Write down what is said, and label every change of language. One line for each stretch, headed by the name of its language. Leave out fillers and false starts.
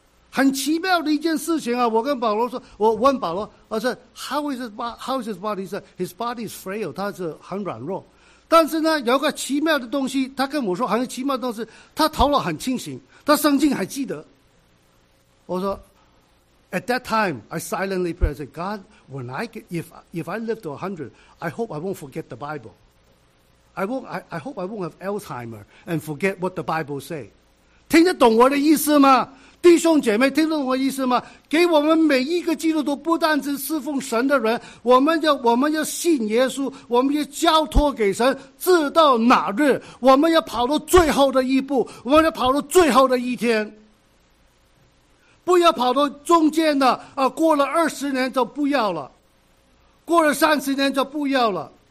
Chinese: 很奇妙的一件事情啊！我跟保罗说，我问保罗，我说
English: How is his body？
Chinese: 说
English: His body is frail，
Chinese: 他是很软弱。但是呢，有个奇妙的东西，他跟我说，很奇妙的东西，他头脑很清醒，他圣经还记得。我说 ，
English: At that time, I silently prayed, said, God, when I get, if I live to 100, I hope I won't forget the Bible. I hope I won't have Alzheimer and forget what the Bible say。
Chinese: 听得懂我的意思吗？弟兄姐妹，听得懂我的意思吗？给我们每一个基督徒，不但是侍奉神的人，我们要信耶稣，我们要交托给神，直到哪日，我们要跑到最后的一步，我们要跑到最后的一天，不要跑到中间的啊，过了20年就不要了，过了30年就不要了。